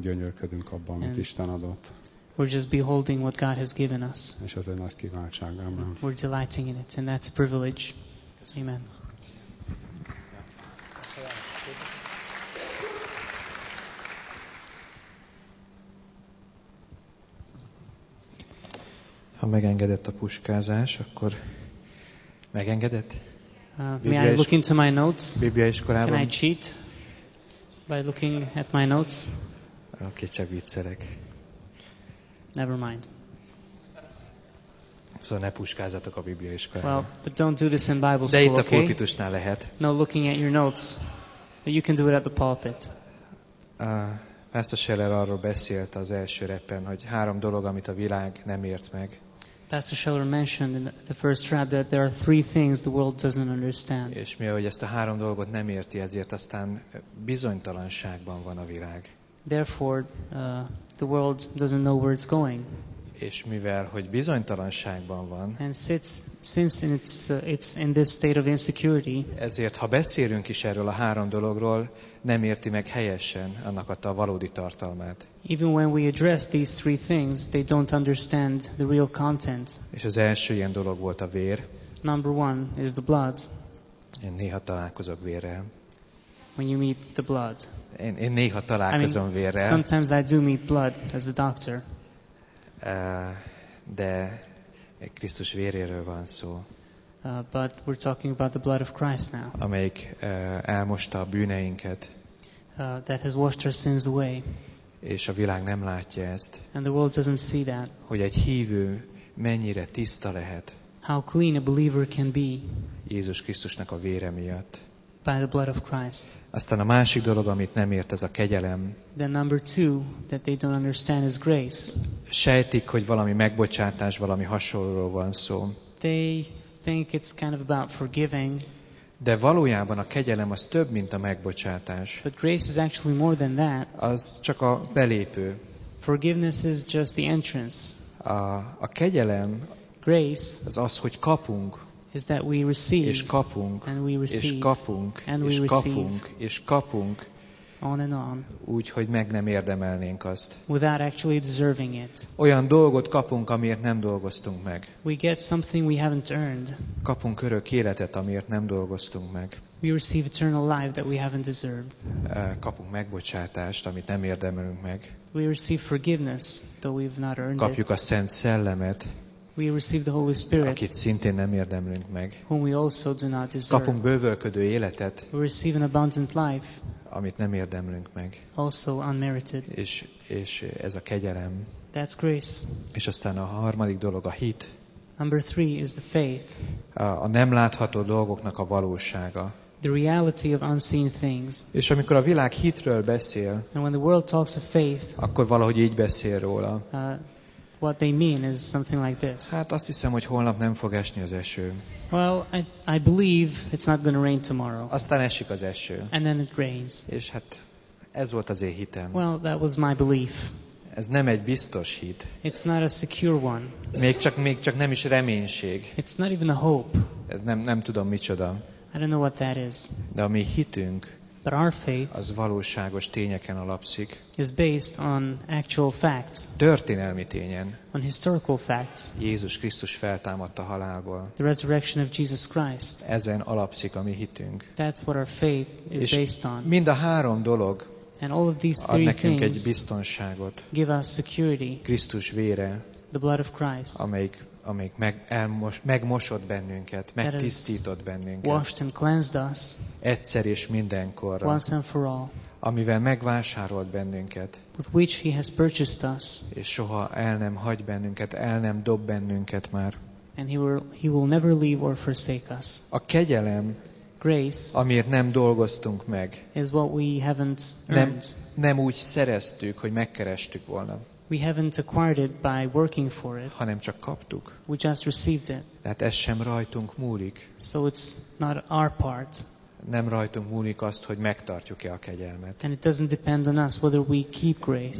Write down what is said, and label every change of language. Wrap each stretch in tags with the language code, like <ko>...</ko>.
<hu>gyönyörködünk abban, amit Isten adott.</hu> <en>We're just beholding what God has given us.</en> <hu>És ez egy nagy kiváltság, amen.</hu> <en>We're delighting in it, and that's a privilege. Amen.</en> <hu>Ha megengedett a puskázás, akkor megengedett?</hu> <en>May I look into my notes?</en> <hu>Biblia iskolában.</hu> <en>Can I cheat by looking at my notes?</en> <hu>Oké, csak viccelek.</hu> <en>Never mind.</en> <hu>Szóval ne puskázzatok a Biblia iskolában.</hu> <en>Well, but don't do this in Bible school, okay?</en> <hu>De itt a pulpitusnál lehet.</hu> <en>No, looking at your notes. But you can do it at the pulpit.</en> <hu>Pastor Scheller arról beszélt az első repen, hogy három dolog, amit a világ nem ért meg.</hu> <en>Pastor Scheller mentioned in the first rap that there are three things the world doesn't understand.</en> <hu>És mi, hogy ezt a három dolgot nem érti, ezért aztán bizonytalanságban van a világ.</hu> <en>Therefore, the world doesn't know where it's going.</en> <hu>És mivel, hogy bizonytalanságban van.</hu> <en>And since it's in this state of insecurity.</en> <hu>Ezért, ha beszélünk is erről a három dologról, nem érti meg helyesen annak a valódi tartalmát.</hu> <en>Even when we address these three things, they don't understand the real content.</en> <hu>És az első ilyen dolog volt a vér.</hu> <en>Number one is the blood.</en> <hu>Én néha találkozok vérrel.</hu> <en>When you meet the blood.</en> <hu>Én néha találkozom vérrel.</hu> <en>Sometimes I do meet blood as a doctor.</en> <hu>De Krisztus véréről van szó.</hu> <en>But we're talking about the blood of Christ now.</en> <hu>Amelyik elmosta a bűneinket.</hu> <en>That has washed our sins away.</en> <hu>És a világ nem látja ezt.</hu> <en>And the world doesn't see that.</en> <hu>Hogy egy hívő mennyire tiszta lehet.</hu> <en>How clean a believer can be.</en> <hu>Jézus Krisztusnak a vére miatt.</hu> <en>By the blood of Christ.</en> <hu>Aztán a másik dolog, amit nem ért, ez a kegyelem.</hu> <en>The number two that they don't understand is grace.</en> <hu>Sejtik, hogy valami megbocsátás, valami hasonlóról van szó.</hu> <en>They think it's kind of about forgiving.</en> <hu>De valójában a kegyelem az több, mint a megbocsátás.</hu> <en>But grace is actually more than that.</en> <hu>Az csak a belépő.</hu> <en>Forgiveness is just the entrance.</en> <hu>A kegyelem</hu> <en>grace</en> <hu>az, hogy kapunk.</hu> <en>Is that we receive,</en> <hu>és kapunk,</hu> <en>and we receive,</en> <hu>és kapunk,</hu> <en>and we</en> <hu>és</hu> <en>receive,</en> <hu>kapunk, és kapunk,</hu> <en>on and on,</en> <hu>úgy, hogy meg nem érdemelnénk azt.</hu> <en>Without actually deserving it.</en> <hu>Olyan dolgot kapunk, amiért nem dolgoztunk meg.</hu> <en>We get something we haven't earned.</en> <hu>Kapunk örök életet, amiért nem dolgoztunk meg.</hu> <en>We receive eternal life that we haven't deserved.</en> <hu>Kapunk megbocsátást, amit nem érdemelünk meg.</hu> <en>We receive forgiveness, though we've not earned it.</en> <hu>Kapjuk a Szent Szellemet.</hu> <en>We receive the Holy Spirit.</en> <hu>Akit szintén nem érdemlünk meg.</hu> <en>Whom we also do not deserve.</en> <hu>Kapunk bővölködő életet.</hu> <en>We receive an abundant life.</en> <hu>Amit nem érdemlünk meg.</hu> <en>Also unmerited.</en> <hu>És ez a kegyelem.</hu> <en>That's grace.</en> <hu>És aztán a harmadik dolog a hit.</hu> <en>Number three is the faith.</en> <hu>A nem látható dolgoknak a valósága.</hu> <en>The reality of unseen things.</en> <hu>És amikor a világ hitről beszél,</hu> <en>and when the world talks of faith,</en> <hu>akkor valahogy így beszél róla.</hu> <en>What they mean is something like this.</en> <hu>Hát azt hiszem, hogy holnap nem fog esni az eső.</hu> <en>Well, I believe it's not going to rain tomorrow.</en> <hu>Aztán esik az eső.</hu> <en>And then it rains.</en> <hu>És hát ez volt az én hitem.</hu> <en>Well, that was my belief.</en> <hu>Ez nem egy biztos hit.</hu> <en>It's not a secure one.</en> <hu>Még csak nem is reménység.</hu> <en>It's not even a hope.</en> <hu>Ez nem tudom micsoda.</hu> <en>I don't know what that is.</en> <hu>De a mi hitünk,</hu> <en>but our faith,</en> <hu>az valóságos tényeken alapszik.</hu> <en>Is based on actual facts.</en> <hu>Történelmi tényen.</hu> <en>On historical facts.</en> <hu>Jézus Krisztus feltámadt a halálból.</hu> <en>The resurrection of Jesus Christ.</en> <hu>Ezen alapszik a mi hitünk.</hu> <en>That's what our faith is based on.</en> <hu>Mind a három dolog</hu> <en>and all of these</en> <hu>ad nekünk egy biztonságot.</hu> <en>Give us security.</en> <hu>Krisztus vére,</hu> <en>the blood of Christ,</en> <hu>amelyik megmosott bennünket, megtisztított bennünket.</hu> <en>Washed and cleansed us.</en> <hu>Egyszer és mindenkorra.</hu> <en>Once and for all.</en> <hu>Amivel megvásárolt bennünket.</hu> <en>With which he has purchased us.</en> <hu>És soha el nem hagy bennünket, el nem dob bennünket már.</hu> <en>And he will never leave or forsake us.</en> <hu>A kegyelem,</hu> <en>grace,</en> <hu>amiért nem dolgoztunk meg,</hu> <en>is what we haven't earned.</en> <hu>Nem úgy szereztük, hogy megkerestük volna.</hu> <en>We haven't acquired it by working for it.</en> <hu>Hanem csak kaptuk.</hu> <en>We just received it.</en> <hu>Tehát ez sem rajtunk múlik.</hu> <en>So it's not our part.</en> <hu>Nem rajtunk múlik azt, hogy megtartjuk-e a kegyelmet.</hu> <en>And it doesn't depend on us whether we keep grace.</en>